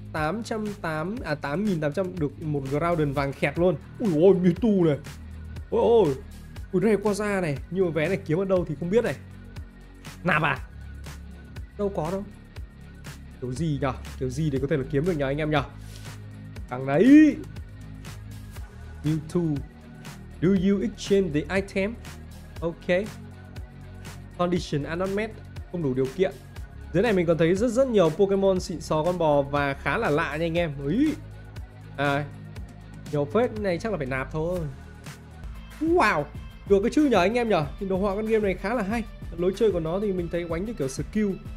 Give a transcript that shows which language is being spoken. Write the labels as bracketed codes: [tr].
[vi] 8800 được một Groudon vàng khẹt luôn. Ui ôi Mewtwo này. Ôi ôi. Ui đây qua ra này. Nhưng mà vé này kiếm ở đâu thì không biết này. Nạp à? Đâu có đâu. Kiểu gì nhở? Kiểu gì để có thể là kiếm được nhờ anh em nhở? Thằng đấy. Mewtwo. [en] Do you exchange the item? Ok. Condition are not met. [vi] Không đủ điều kiện. Dưới này mình còn thấy rất nhiều Pokemon xịn sò con bò và khá là lạ nha anh em. Úi. À, nhiều phết này chắc là phải nạp thôi. Wow. Được cái chữ nhờ anh em nhờ. Thì đồ họa con game này khá là hay. Lối chơi của nó thì mình thấy quánh như kiểu skill.